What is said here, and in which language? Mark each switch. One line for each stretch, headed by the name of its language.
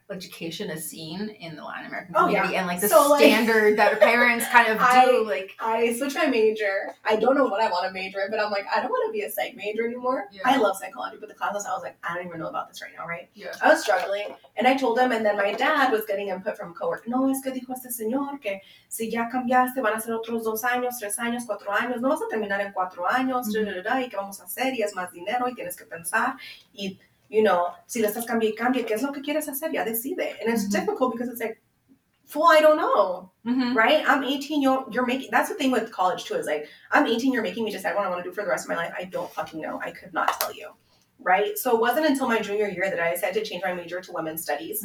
English: education is seen in the Latin American community and like the standard that parents kind of do. Like, I switched my major. I don't know what I want to major in, but I'm like, I don't want to be a psych major anymore. Yeah. I love psychology, but the classes, I was like, I don't even know about this right now, right? Yeah. I was struggling. And I told him, and then my dad was getting input from coworkers.
Spanish: No, es que dijo este señor que si ya cambiaste, van a ser otros dos años, tres años, cuatro años. No vas a terminar en cuatro años. Mm-hmm. Y qué vamos a hacer, y es más dinero, y tienes que pensar. Y,
English: you know,
Spanish: si le estás cambiando y cambia, ¿qué es lo que quieres hacer? Ya decide.
English: And it's mm-hmm. difficult because it's like, fool, I don't know. Mm-hmm. Right? I'm 18, you're making, that's the thing with college too, is like, I'm 18, you're making me decide what I want to do for the rest of my life. I don't fucking know. I could not tell you. Right? So it wasn't until my junior year that I decided to change my major to women's studies.